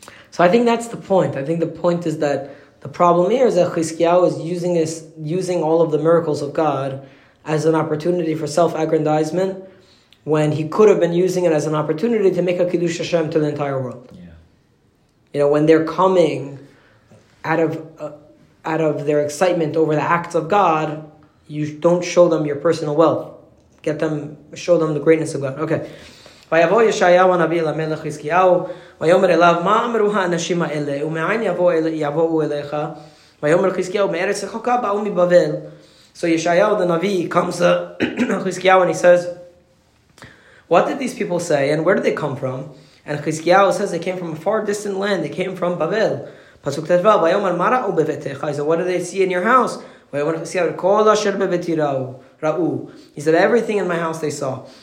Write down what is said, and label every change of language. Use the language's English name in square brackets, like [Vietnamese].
[English] So I think that's the point. I think the point is that the problem here is that Chizkiyahu is using all of the miracles of God as an opportunity for self-aggrandizement, when he could have been using it as an opportunity to make a Kiddush Hashem to the entire world. Yeah. You know, when they're coming out of their excitement over the acts of God, you don't show them your personal wealth. Show them the greatness of God. Okay. [Hebrew] ויבוא ישעיהו הנביא אל המלך חזקיהו, ויאמר אליו, מה אמרו האנשים האלה, ומאין יבואו אליך? ויאמר חזקיהו, מארץ רחוקה באו מבבל. [English] So Yeshayahu the Navi comes to Chizkiyahu and he says, what did these people say and where did they come from? And Chizkiyahu says they came from a far distant land. They came from Babel. [Hebrew] Pasuk tetvav, vayomar mara u bevetecha. [English] He said, what did they see in your house? [Hebrew] Vayomar Chizkiyahu, kol asher bevetirau, ra'u. [English] He said, everything in my house they saw.